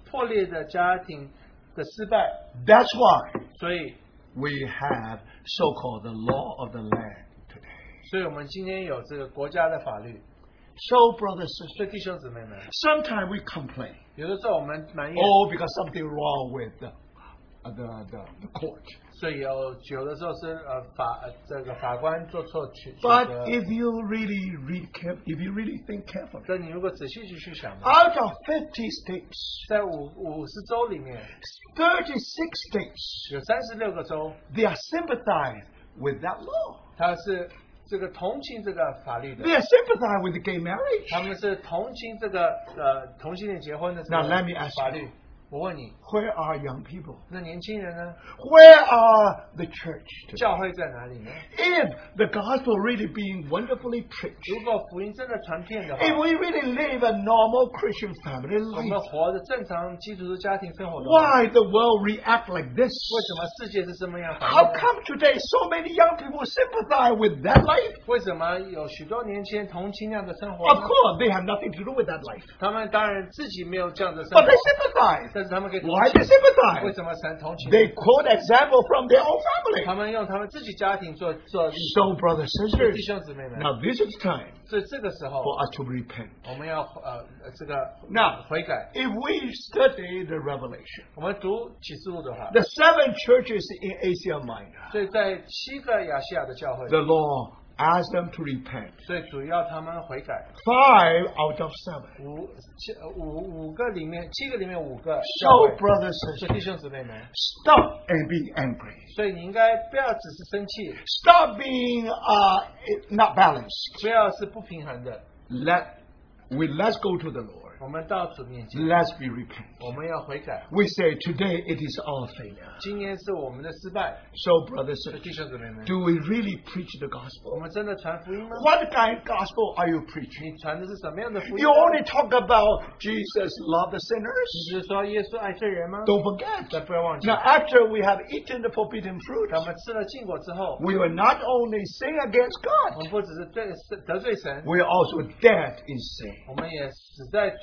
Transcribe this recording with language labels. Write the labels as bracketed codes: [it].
[zh] 因为是这个不同这个破裂的家庭的失败, [en] that's why, [zh] 所以, [en] we have so called the law of the land today. [zh] 所以我们今天有这个国家的法律, [en] so brothers, [zh] 所以弟兄姊妹们, [en] sometimes we complain, [zh] 有的时候我们埋怨, [en] oh, because something wrong with the court. [zh] 所以有的时候是法官做错取决。 [en] But if you really read carefully, if you really think carefully, [zh] 但你如果仔细去想吧, [en] out of 50 states, [zh] 在50州里面, [en] 36 states, [zh] 有36个州, [en] they are sympathized with that law. [zh] 他是这个同情这个法律的, [en] they are sympathized with the gay marriage. [zh] 他们是同情这个同性恋结婚的法律。 [en] Now let me ask you, [zh] 我问你, [en] where are young people? [zh] 那年轻人呢? [en] Where are the church? [zh] 教会在哪里呢? [en] If the gospel really being wonderfully preached, [zh] 如果福音真的传遍的话, [en] if we really live a normal Christian family life, [zh] 我们活着正常基督徒家庭生活的话, [en] why the world react like this? [zh] 为什么世界是这么样反应的? [en] How come today so many young people sympathize with that life? [zh] 为什么有许多年轻人同情那样的生活? [en] Of course, they have nothing to do with that life. [zh] 他们当然自己没有这样的生活, [en] but they sympathize. Why they sympathize? [zh] 为什么同情? [en] They quote example from their own family. [zh] 他们用他们自己家庭做, [en] so brothers and sisters, [zh] 弟兄姊妹们, [en] now this is time [zh] 所以这个时候, [en] for us to repent. [zh] 我们要, 这个, [en] now, [zh] 悔改, [en] if we study the Revelation, [zh] 我们读启示录的话, [en] the seven churches in Asia Minor, [zh] 所以在七个亚细亚的教会, [en] the Lord ask them to repent. [zh] 所以主要他们悔改, [en] five out of seven. [zh] 五个里面七个里面五个, [en] so brothers and sisters, stop and be angry. [zh] 所以你应该不要只是生气, [en] stop being not balanced. [zh] 不要是不平衡的, [en] let's go to the Lord. [zh] 我们到主面前, [en] let's be repent. [zh] 我们要悔改, [en] we say today it is our failure. [zh] 今年是我们的失败, [en] so brothers, [zh] 弟兄姊妹们, [en] do we really preach the gospel? [zh] 我们真的传福音吗? [en] What kind of gospel are you preaching? [zh] 你传的是什么样的福音? [en] You only talk about Jesus love the sinners. [zh] 你是说耶稣爱罪人吗? [en] Don't forget, [zh] 再不要忘记, [en] now after we have eaten the forbidden fruit, [zh] 我们吃了禁果之后, [en] we will not only sin against God, [zh] 我们不只是得罪神, [en] we are also dead in sin. [zh] 我们也死在,